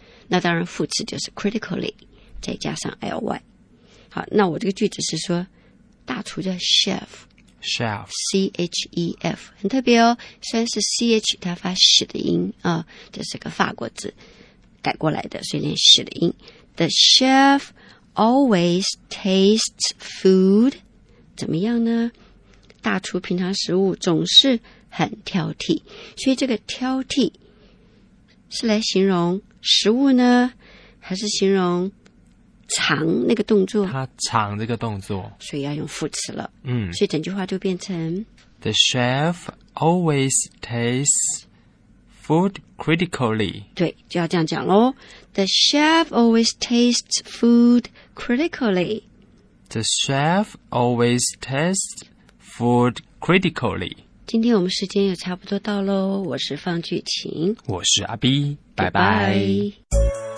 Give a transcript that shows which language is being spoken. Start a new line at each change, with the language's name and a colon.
Chinese: 那当然副词就是 critically， 再加上 ly。好，那我这个句子是说大厨叫 chef。
English: chef。 C-H-E-F。
Chinese: 很特别哦，虽然是 CH， 它发 sh 的音啊，这是个法国字。改过来的，所以连写的音。
English: The chef always tastes food
Chinese: 怎么样呢？大厨品尝食物总是很挑剔，所以这个挑剔是来形容食物呢，还是形容尝那个动作？他尝这个动作，所以要用副词了。嗯，所以整句话就变成
English: The chef always tastes food critically，
Chinese: 对，就要这样讲喽。
English: The chef always tastes food critically. The chef always tastes food critically.
Chinese: 今天我们时间也差不多到喽。我是方巨琴，我是阿 B， 拜拜。Goodbye.